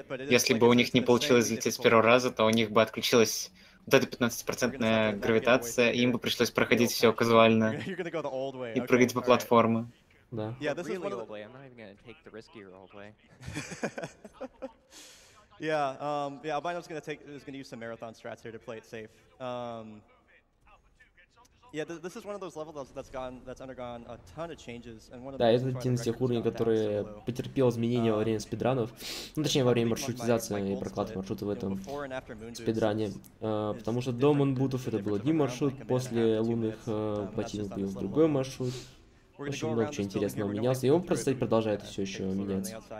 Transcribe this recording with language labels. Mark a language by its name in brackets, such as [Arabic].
[Russian] Если бы у них не получилось взлететь с первого раза, то у них бы отключилась вот эта 15-процентная гравитация, и им бы пришлось проходить все казуально и прыгать по платформе. Да. [English] Yeah, this really is one of the... I'm not even going to take the riskier old way. Yeah, yeah, Albino's going to take is going to use some marathon strats here to play it safe. Yeah, this is one of those levels that's undergone a ton of changes and one of [Russian] Да, это один из тех уровней, который потерпел изменения во время спидранов, ну, точнее во время маршрутизации и прокладки маршрута в этом спидране, потому что до Мунбутов это был один маршрут, после лунных ботинок был другой маршрут. Очень много чего интересного менялось, и он, кстати, продолжает все еще меняться.